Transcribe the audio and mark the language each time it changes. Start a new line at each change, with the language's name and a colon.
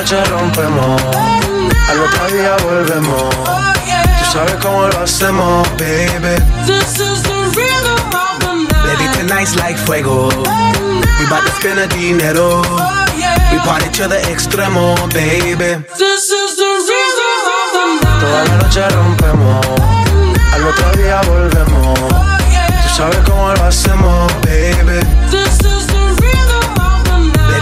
Spanish: Rompemos, al otro día volvemos. Tú sabes cómo lo hacemos, baby.
English: This is the real of the night. Baby, tonight's like fuego. We bout to spend the dinero. We party to the extremo, baby. This is the real of the night.
Spanish: Toda la noche rompemos, al otro día volvemos. Tú sabes cómo lo hacemos, baby.
English: This is the real of the night.